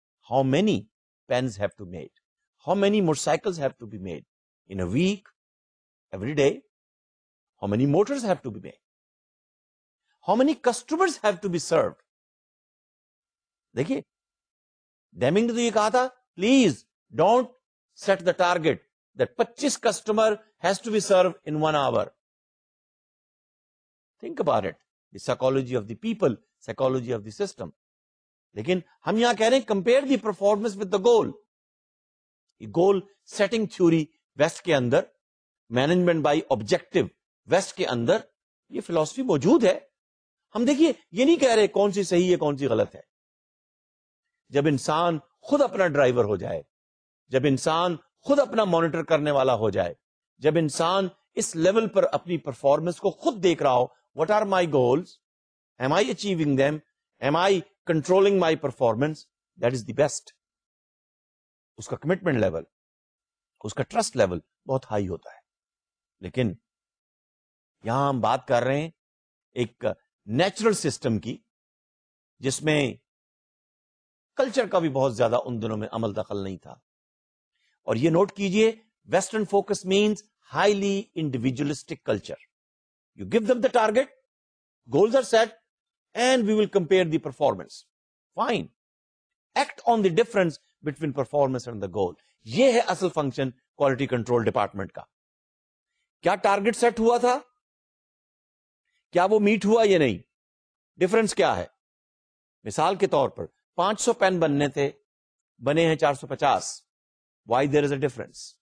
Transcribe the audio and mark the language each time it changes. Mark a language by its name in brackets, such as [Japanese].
[English] How many pens have to made, how many motorcycles have to be made in a week, every day, how many motors have to be made, how many customers have to be served. [Urdu] دیکھیے Deming نے تو یہ کہا تھا, [English] Please don't set the target that 25 customer has to be serve in one hour. Think about it, the psychology of the people, psychology of the system. [Urdu] لیکن ہم یہاں کہہ رہے ہیں [English] Compare the performance with the goal. [Urdu] Goal setting theory waste کے اندر, management by objective waste کے اندر یہ فلسفی موجود ہے. ہم دیکھیے یہ نہیں کہہ رہے کون سی صحیح ہے کون سی غلط ہے. جب انسان خود اپنا ڈرائیور ہو جائے, جب انسان خود اپنا مانیٹر کرنے والا ہو جائے, جب انسان اس لیول پر اپنی پرفارمنس کو خود دیکھ رہا ہو, [English] What are my goals, am I achieving them, am I controlling my performance, that is the best. [Urdu] اس کا کمٹمنٹ لیول, اس کا ٹرسٹ لیول بہت ہائی ہوتا ہے. لیکن یہاں ہم بات کر رہے ہیں ایک نیچرل سسٹم کی جس میں کلچر کا بھی بہت زیادہ ان دنوں میں عمل دخل نہیں تھا. اور یہ نوٹ کیجئے, [English] Western focus means highly individualistic culture. You give them the target, goals are set, and we will compare the performance. Fine, act on the difference between performance and the goal. [Urdu] یہ ہے اصل فنکشن کوالٹی کنٹرول ڈپارٹمنٹ کا. کیا target set ہوا تھا, کیا وہ meat ہوا یا نہیں, ڈفرنس کیا ہے. مثال کے طور پر 500 پین بننے تھے, بنے ہیں 450. [English] Why there is a difference?